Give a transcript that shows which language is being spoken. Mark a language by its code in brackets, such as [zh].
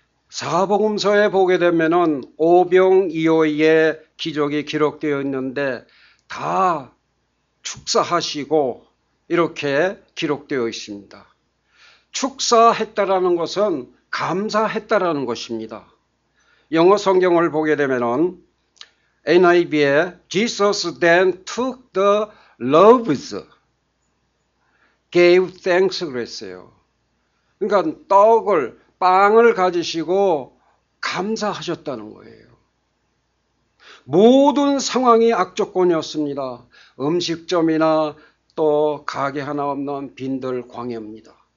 [ko] 사복음서에 보게 되면은 오병이어의 기적이 기록되어 있는데 다 축사하시고 이렇게 기록되어 있습니다. 축사했다라는 것은 감사했다라는 것입니다. 영어 성경을 보게 되면 NIV에 [en] Jesus then took the loaves, gave thanks [ko] 그랬어요. 그러니까 떡을, 빵을 가지시고 감사하셨다는 거예요. 모든 상황이 악조건이었습니다. 음식점이나 또 가게 하나 없는 빈들 광야입니다.